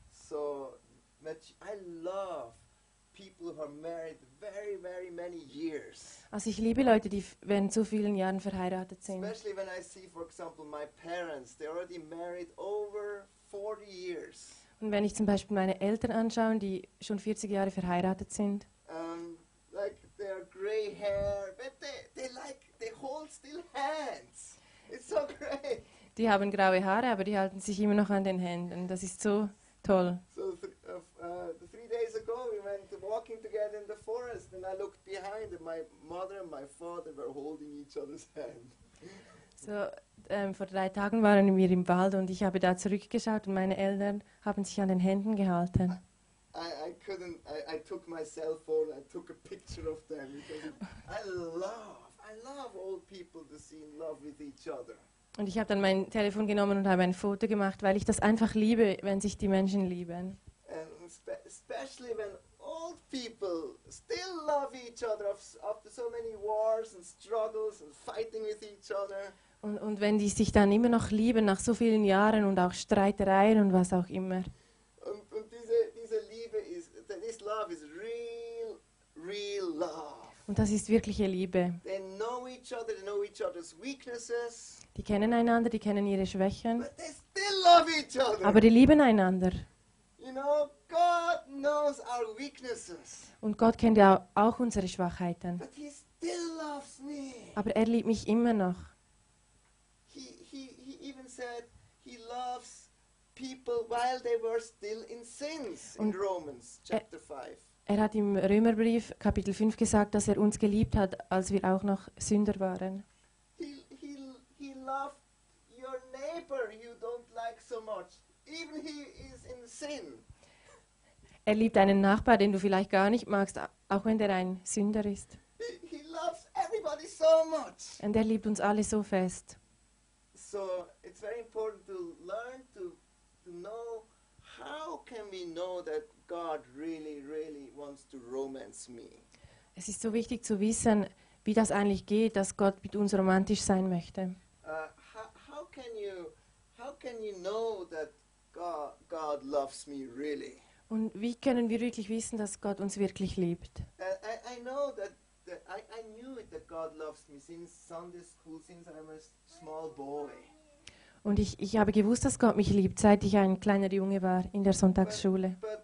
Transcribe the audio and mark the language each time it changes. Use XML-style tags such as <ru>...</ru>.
<en>So, I love people who are married very, very many years.</en> <de>Also ich liebe Leute, die wenn zu vielen Jahren verheiratet sind.</de> <en>Especially when I see, for example, my parents, they already married over 40 years.</en> <de>Und wenn ich zum Beispiel meine Eltern anschaue, die schon 40 Jahre verheiratet sind.</de> <en>Like their gray hair, but they hold still hands. It's so great.</en> <de>Die haben graue Haare, aber die halten sich immer noch an den Händen. Das ist so toll.</de> <en>So, 3 days ago we went walking together in the forest and I looked behind and my mother and my father were holding each other's hand.</en> <de>So, vor 3 Tagen waren wir im Wald und ich habe da zurückgeschaut und meine Eltern haben sich an den Händen gehalten.</de> <en>I took my cell phone, I took a picture of them. I love old people to see in love with each other.</en> <de>Und ich habe dann mein Telefon genommen und habe ein Foto gemacht, weil ich das einfach liebe, wenn sich die Menschen lieben.</de> <en>Especially when old people still love each other after so many wars and struggles and fighting with each other.</en> <de>Und wenn die sich dann immer noch lieben nach so vielen Jahren und auch Streitereien und was auch immer. Und diese Liebe ist,</de> <en>this love is real, real love.</en> <de>Und das ist wirkliche Liebe.</de> <en>They know each other, they know each other's weaknesses.</en> <de>Die kennen einander, die kennen ihre Schwächen.</de> <en>But they still love each other.</en> <de>Aber die lieben einander.</de> <en>You know, God knows our weaknesses.</en> <de>Und Gott kennt ja auch unsere Schwachheiten.</de> <en>But he still loves me.</en> <de>Aber er liebt mich immer noch.</de> <en>He even said he loves people while they were still in sins. Und in Romans chapter 5.</en> <de>Er hat im Römerbrief Kapitel 5 gesagt, dass er uns geliebt hat, als wir auch noch Sünder waren.</de> <en>He loved your neighbor you don't like so much. Even he is in sin.</en> <de>Er liebt einen Nachbar, den du vielleicht gar nicht magst, auch wenn der ein Sünder ist.</de> <en>He loves everybody so much.</en> <de>Und er liebt uns alle so fest.</de> <en>So it's very important to learn to know how can we know that God really, really wants to romance me.</en> <de>Es ist so wichtig zu wissen, wie das eigentlich geht, dass Gott mit uns romantisch sein möchte.</de> <en>How can you know that God loves me really?</en> <de>Und wie können wir wirklich wissen, dass Gott uns wirklich liebt?</de> <en>I know that I knew it that God loves me since Sunday school, since I'm a small boy.</en> <de>Und ich habe gewusst, dass Gott mich liebt, seit ich ein kleiner Junge war in der Sonntagsschule.</de>